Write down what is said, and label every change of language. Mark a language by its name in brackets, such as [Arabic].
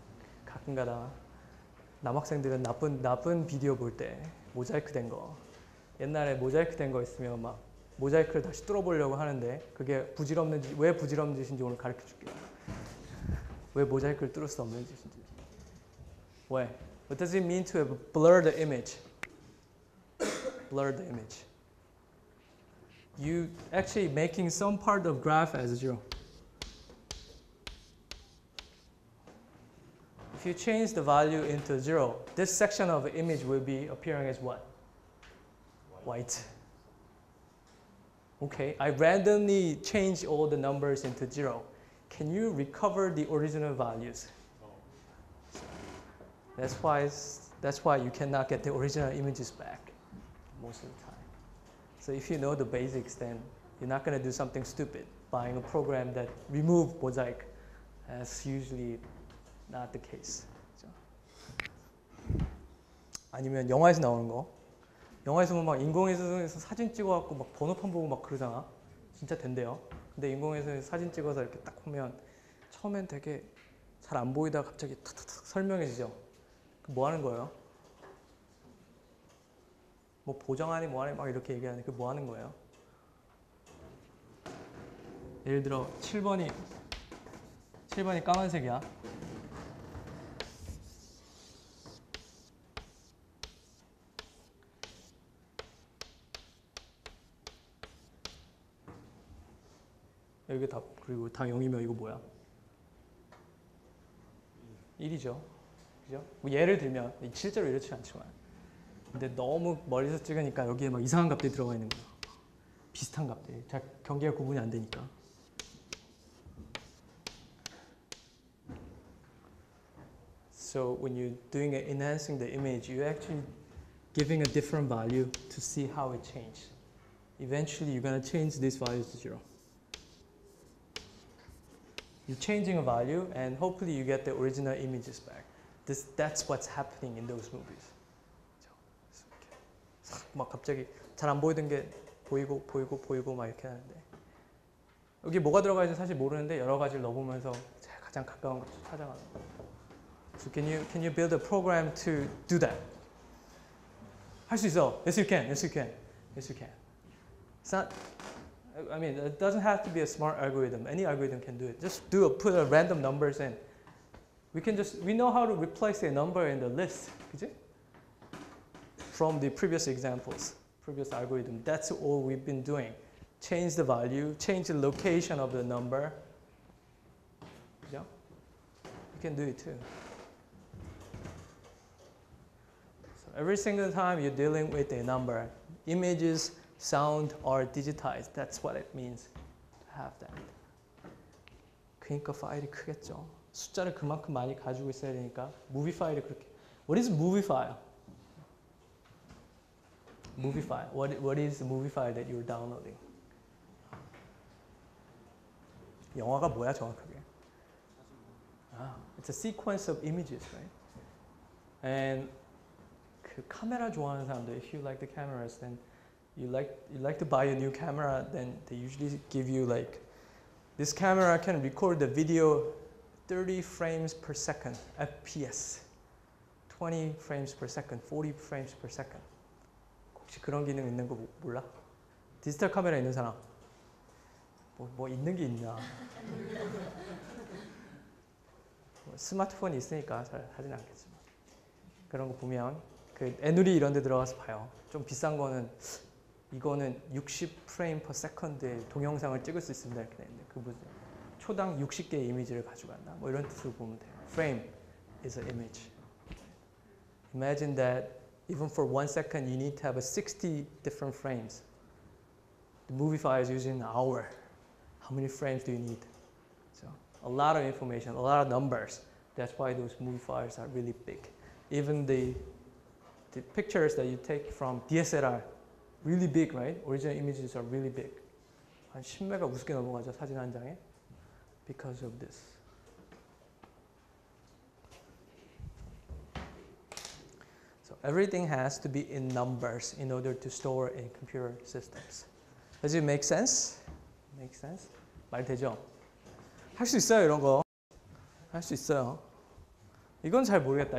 [Korean] 가끔가다 남학생들은 나쁜 비디오 볼 때 모자이크 된 거 옛날에 모자이크 된 거 있으면 막 모자이크를 다시 뚫어보려고 하는데 그게 부질없는지 왜 부질없는 짓인지 오늘 가르쳐 줄게요. 왜 모자이크를 뚫을 수 없는 짓인지 왜? [English] What does it mean to blur the image? Blur the image. You actually making some part of graph as zero. If you change the value into zero, this section of the image will be appearing as what? White. Okay, I randomly change all the numbers into zero. Can you recover the original values? That's why you cannot get the original images back most of the time. So if you know the basics, then you're not going to do something stupid. Buying a program that removes mosaic, that's usually not the case. [Korean] 아니면 영화에서 나오는 거. 영화에서 보면 막 인공위성에서 사진 찍어갖고 막 번호판 보고 막 그러잖아. 진짜 된대요. 근데 인공위성에서 사진 찍어서 이렇게 딱 보면 처음엔 되게 잘 안 보이다가 갑자기 탁탁탁 설명해지죠. 뭐 하는 거예요? 뭐 보정하니 뭐하니 막 이렇게 얘기하는데 그 뭐 하는 거예요? 예를 들어 7번이 까만색이야. 여기 다 그리고 다 0이면 이거 뭐야? 1이죠. 뭐 예를 들면 실제로 이렇지 않지만 근데 너무 멀리서 찍으니까 여기에 막 이상한 값들이 들어가 있는 거야. 비슷한 값들. 잘 경계가 구분이 안 되니까. [English] So when you're doing it, enhancing the image, you're actually giving a different value to see how it changes. Eventually, you're going to change this value to zero. You're changing a value, and hopefully you get the original images back. That's what's happening in those movies. [Korean] 막 갑자기 잘 안 보이던 게 보이고 보이고 보이고 막 이렇게 하는데 여기 뭐가 들어가 있는지 사실 모르는데 여러 가지를 넣어보면서 가장 가까운 것을 찾아가는 거예요. [English] So can you build a program to do that? [Korean] 할 수 있어. [English] Yes, you can. Yes, you can. Yes, you can. It's not, I mean, it doesn't have to be a smart algorithm. Any algorithm can do it. Just put a random numbers in. We know how to replace a number in the list, [Korean] 그치? [English] From the previous examples, previous algorithm. That's all we've been doing. Change the value, change the location of the number. Yeah, you can do it too. So every single time you're dealing with a number, images, sound are digitized. That's what it means to have that. [Korean] 그러니까 파일이 크겠죠. 숫자를 그만큼 많이 가지고 있어야 되니까 movie 파일이 그렇게. [English] What is movie file? Movie file. What is the movie file that you're downloading? [Korean] 영화가 뭐야 정확하게? [English] It's a sequence of images, right? And [Korean] 그 카메라 좋아하는 사람들, [English] if you like the cameras, then you like to buy a new camera, then they usually give you like, this camera can record the video 30 frames per second, FPS. 20 frames per second, 40 frames per second. [Korean] 혹시 그런 기능 있는 거 몰라? 디지털 카메라 있는 사람? 뭐 있는 게 있나? 스마트폰이 있으니까 잘 하진 않겠지만. 그런 거 보면, 그 애누리 이런 데 들어가서 봐요. 좀 비싼 거는, 이거는 60 프레임 퍼 세컨드의 동영상을 찍을 수 있습니다. 이렇게 돼 있는데. 그 무슨, 초당 60개의 이미지를 가져간다. 뭐 이런 뜻으로 보면 돼요. [English] Frame is an image. Imagine that even for 1 second, you need to have a 60 different frames. The movie file is using an hour. How many frames do you need? So a lot of information, a lot of numbers. That's why those movie files are really big. Even the pictures that you take from DSLR, really big, right? Original images are really big. [Korean] 한 10메가 우습게 넘어가죠, 사진 한 장에. [English] Because of this. So everything has to be in numbers in order to store in computer systems. Does it make sense? Make sense? [Korean] 말 되죠? 할 수 있어요, 이런 거. 할 수 있어요. 이건 잘 모르겠다.